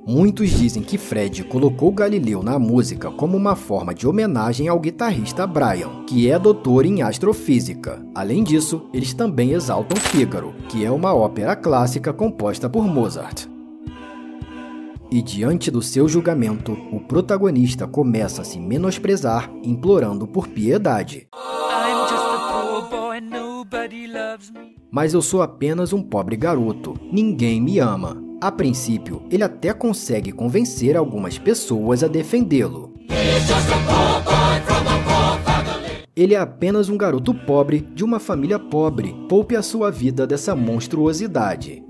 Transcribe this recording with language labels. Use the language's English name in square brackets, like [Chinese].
[Portuguese] Muitos dizem que Fred colocou Galileu na música como uma forma de homenagem ao guitarrista Brian, que é doutor em astrofísica. Além disso, eles também exaltam Fígaro, que é uma ópera clássica composta por Mozart. E diante do seu julgamento, o protagonista começa a se menosprezar, implorando por piedade. [English] I'm just a poor boy, nobody loves me. [Portuguese] Mas eu sou apenas um pobre garoto, ninguém me ama. A princípio, ele até consegue convencer algumas pessoas a defendê-lo. Ele é apenas um garoto pobre, de uma família pobre, poupe a sua vida dessa monstruosidade.